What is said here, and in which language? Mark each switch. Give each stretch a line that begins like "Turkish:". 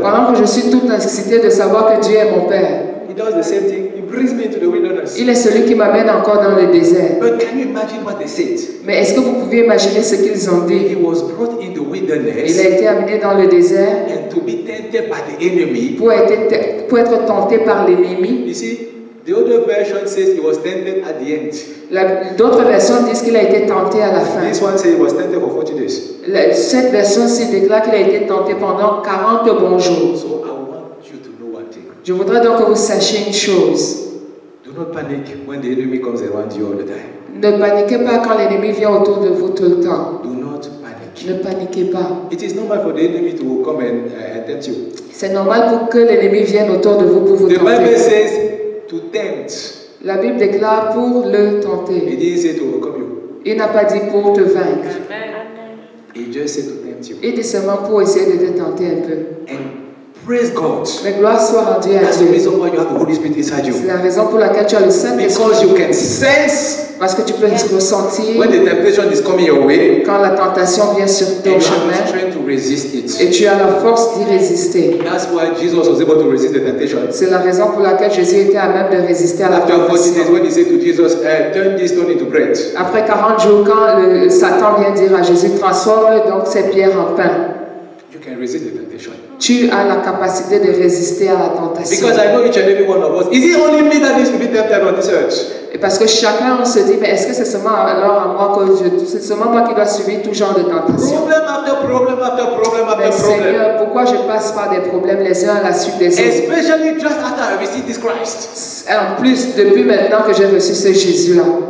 French: Pendant que je suis tout excité de savoir que Dieu est mon Père.
English: He does the same thing. He brings me into the wilderness.
French: Il est celui qui m'amène encore dans le désert.
English: But can you imagine what they said?
French: Mais est-ce que vous pouvez imaginer ce qu'ils ont dit?
English: He was brought in the wilderness.
French: Il a été amené dans le désert.
English: And to be tempted by the enemy.
French: Pour être tenté par l'ennemi.
English: You see? The other version says he was tempted at the end.
French: D'autres versions disent qu'il a été tenté à la fin.
English: This one says he was tempted for 40 days.
French: Cette version-ci déclare qu'il a été tenté pendant 40 bons jours.
English: So I want you to know one thing.
French: Je voudrais donc que vous sachiez une chose.
English: Do not panic when the enemy comes around you all the time.
French: Ne paniquez pas quand l'ennemi vient autour de vous tout le temps.
English: Do not panic.
French: Ne paniquez pas.
English: It is normal for the enemy to come and attempt you.
French: C'est normal pour que l'ennemi vienne autour de vous pour vous tenter.
English: The Bible says to tempt.
French: La Bible déclare pour le tenter.
English: He didn't say to overcome you.
French: Il n'a pas dit pour te vaincre.
English: Amen. He just said to tempt you.
French: Il dit seulement pour essayer de te tenter un peu.
English: And Praise God.
French: Mais gloire soit rendue à Dieu.
English: The reason why you have the Holy Spirit inside you.
French: C'est la raison pour laquelle tu as le Saint-Esprit.
English: Because you can sense.
French: Parce que tu peux ressentir.
English: When the temptation is coming your way.
French: Quand la tentation vient sur ton chemin.
English: You have the strength to resist it.
French: Et tu as la force d'y résister.
English: That's why Jesus was able to resist the temptation.
French: C'est la raison pour laquelle Jésus était à même de résister à la
English: After
French: tentation.
English: After 40 days, when he said to Jesus, turn this stone into bread.
French: Après 40 jours, quand le Satan vient dire à Jésus, transforme donc cette pierre en pain.
English: You can resist the temptation.
French: Tu as la capacité de résister à la tentation.
English: Because I know each and every one of us. Is it only me that needs to be tempted on this earth?
French: Et parce que chacun se dit, mais est-ce que c'est seulement alors à moi que Dieu, c'est seulement moi qui dois subir tout genre de tentation? Problème après problème après problème après problème. Seigneur, pourquoi je passe par des problèmes les uns à la suite des autres?
English: Especially just after I received this Christ.
French: Et en plus, depuis maintenant que j'ai reçu ce Jésus là.